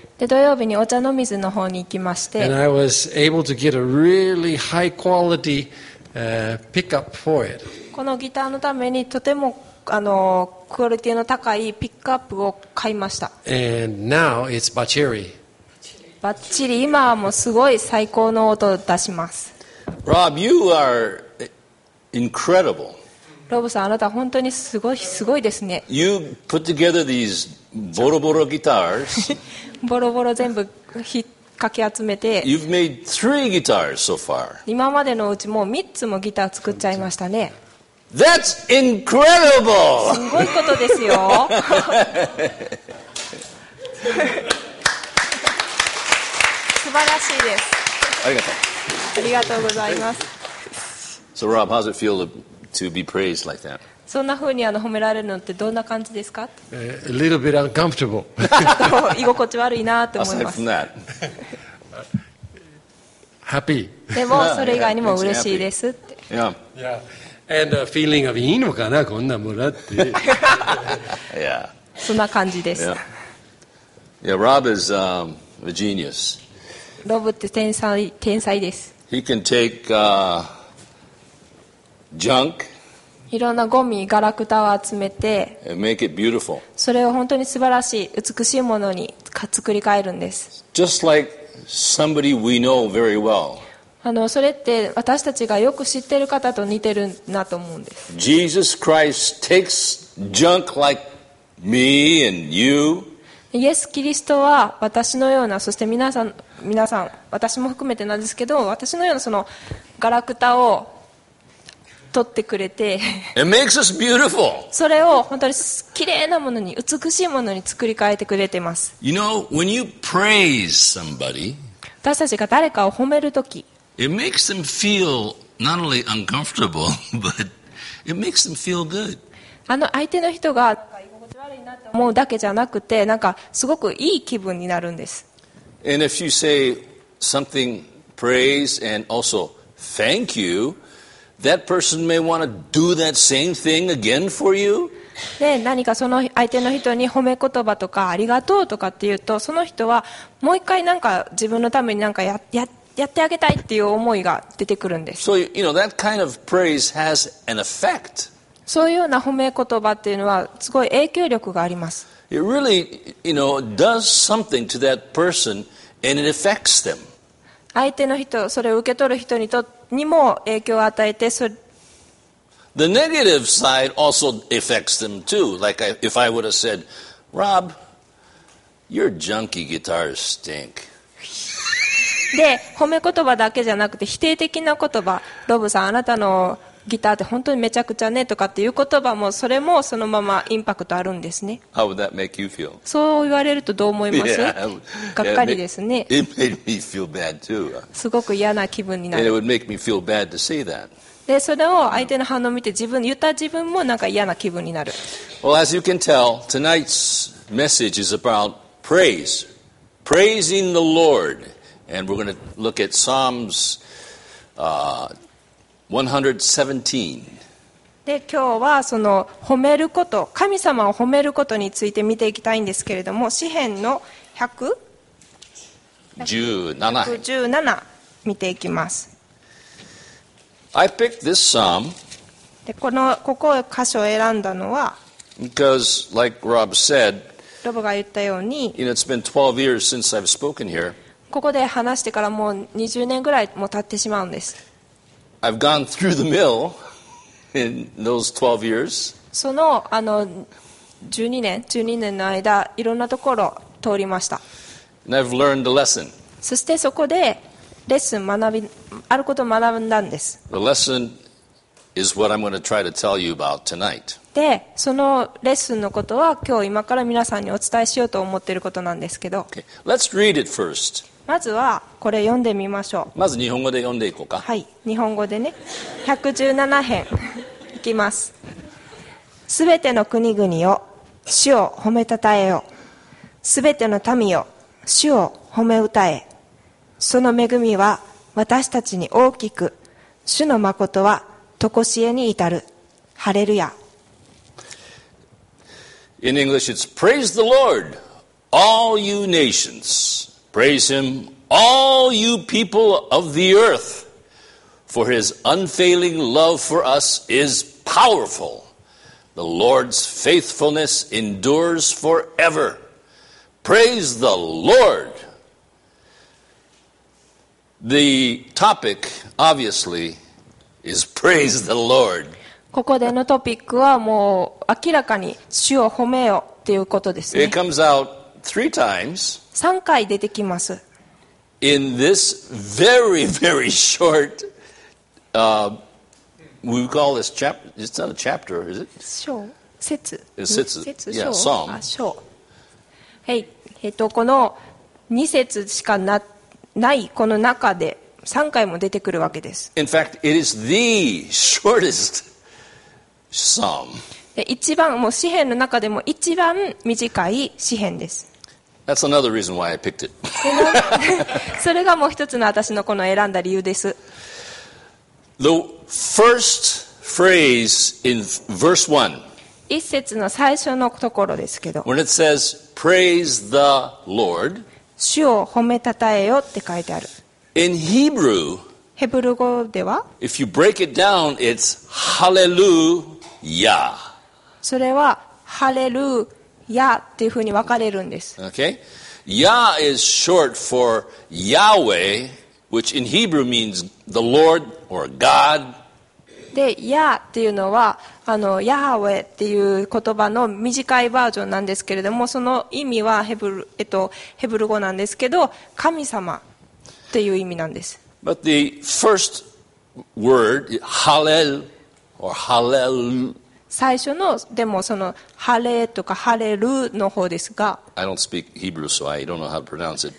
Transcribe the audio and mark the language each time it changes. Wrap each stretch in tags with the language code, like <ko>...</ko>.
<ja>で土曜日にお茶の水の方に行きまして。</ja> <en>And I was able to get a really high quality pickup for it.</en> <ja>このギターのためにとてもクオリティの高いピックアップを買いました。</ja> <en>And now it's Bacheri.</en> <ja>バッチリ今はもうすごい最高の音を出します。</ja> <en>Rob, you are incredible.</en> <ja>ロブさん、あなた本当にすごい、すごいですね。</ja> <en>You put together these</en> <ja>ボロボロギターズ。ボロボロ全部かき集めて</ja> <en>You've made three guitars so far.</en> <ja>今までのうちもう3つもギター作っちゃいましたね。</ja> <en>That's incredible!</en> <ja>すごいことですよ。素晴らしいです。ありがとう。ありがとうございます。</ja> <en>So Rob, how's it feel to be praised like that?</en> <ja>そんな風に褒められるのってどんな感じですか？</ja> <en>A little bit uncomfortable.</en> <ja>居心地悪いなと思います。</ja> <en>Aside from that. Happy.</en> <ja>でもそれ以外にも嬉しいですって。</ja> <en>Yeah. Yeah. And a feeling of</en> <ja>いいのかなこんなもらって。</ja> <en>Yeah.</en> <ja>そんな感じです。</ja> <en>Yeah. Yeah, Rob is a genius.</en> <ja>ロブって天才です。</ja> <en>He can take junk.</en> <ja>いろんなゴミ、ガラクタを集めて、</ja> <en>make it beautiful.</en> <ja>それを本当に素晴らしい、美しいものに作り変えるんです。</ja> <en>Just like somebody we know very well.</en> <ja>それって私たちがよく知ってる方と似てるなと思うんです。</ja> <en>Jesus Christ takes junk like me and you.</en> <ja>イエス・キリストは私のような、そして皆さん、私も含めてなんですけど、私のようなそのガラクタを取ってくれて</ja> <en>It makes us beautiful.</en> <ja>それを本当に綺麗なものに美しいものに作り変えてくれています。</ja> <en>You know, when you praise somebody,</en> <ja>私たちが誰かを褒めるとき</ja> <en>It makes them feel not only uncomfortable, but it makes them feel good.</en> <ja>相手の人が居心地悪いなと思うだけじゃなくてなんかすごくいい気分になるんです。</ja> <en>And if you say something praise and also thank youThat person may want to do that same thing again for you.</en> <ja>で、何かその相手の人に褒め言葉とかありがとうとかって言うと、その人はもう一回なんか自分のためになんか やってあげたいっていう思いが出てくるんです。</ja> <en>So you know that kind of praise has an effect.</en> <ja>そういうような褒め言葉っていうのはすごい影響力があります。</ja> <en>It really, you know, does something to that person and it affects them.</en> <ja>相手の人、それを受け取る人にも影響を与えて、それ。</ja> <en>The negative side also affects them too. Like if I would have said, Rob, your junky guitars stink.</en> <ja>で、褒め言葉だけじゃなくて否定的な言葉、ロブさん、あなたのギターって本当にめちゃくちゃねとかっていう言葉も、それもそのままインパクトあるんですね。</ja> <en>How would that make you feel?</en> <ja>そう言われるとどう思います？</ja> <en>Yeah,</en> <ja>がっかりですね。</ja> <en>It made me feel bad too.</en> <ja>すごく嫌な気分になる。</ja> <en>And it would make me feel bad to say that.</en> <ja>で、それを相手の反応を見て自分、言った自分もなんか嫌な気分になる。</ja> <en>Well, as you can tell, tonight's message is about praise. Praising the Lord. And we're going to look at Psalms, 117.</en> <ja>で今日はその褒めること、神様を褒めることについて見ていきたいんですけれども、詩編の117見ていきます。</ja> <en>I picked this psalm.</en> <ja>でこのここ箇所を選んだのは、</ja> <en>because like Rob said,</en> <ja>ロブが言ったように、</ja> <en>you know, it's been 12 years since I've spoken here.</en> <ja>ここで話してからもう20年ぐらいも経ってしまうんです。</ja> <en>I've gone through the mill in those 12 years.</en> <ja>その、12年の間、いろんなところ通りました。</ja> <en>And I've learned a lesson.</en> <ja>そしてそこでレッスン学び、あることを学んだんです。</ja> <en>The lesson is what I'm going to try to tell you about tonight.</en> <ja>で、そのレッスンのことは今日今から皆さんにお伝えしようと思っていることなんですけど。</ja> <en>Okay. Let's read it first.</en> <ja>まずはこれ読んでみましょう。まず日本語で読んでいこうか。はい、日本語でね。117編いきます。すべての国々よ、主を褒めたたえよ。すべての民よ、主を褒め歌え。その恵みは私たちに大きく、主の誠は常しえに至る。ハレルヤ。</ja> <en>In English it's Praise the Lord, all you nationsPraise him, all you people of the earth, for his unfailing love for us is powerful. The Lord's faithfulness endures forever. Praise the Lord. The topic, obviously, is praise the Lord.</en> <ja>ここでのトピックはもう明らかに主を褒めよっていうことですね。</ja> <en>It comes out three times.</en> <ja>3回出てきます。</ja> <en>in this very, very short, we call this chapter, it's not a chapter, is it? In fact, it is the shortest psalm. That's another reason why I picked it.</en> <ja>それがもう一つの私のこの選んだ理由です。</ja> <en>The first phrase in verse 1.</en> <ja>一節の最初のところですけど。</ja> <en>When it says, praise the Lord.</en> <ja>主を褒めたたえよって書いてある。</ja> <en>In Hebrew,</en> <ja>ヘブル語では、</ja> <en>if you break it down, it's hallelujah.</en> <ja>それは、ハレルヤっていうふうに分かれるんです。</ja> <en>Okay. Yah is short for Yahweh, which in Hebrew means the Lord or God.</en> <ja>で、ヤっていうのは、ヤハウェっていう言葉の短いバージョンなんですけれども、その意味はヘブル語なんですけど、神様っていう意味なんです。</ja> <en>But the first word, Hallel or Hallel,</en> <ja>最初の、でもその、ハレとかハレルの方ですが、</ja> <en>I don't speak Hebrew, so I don't know how to pronounce it.</en>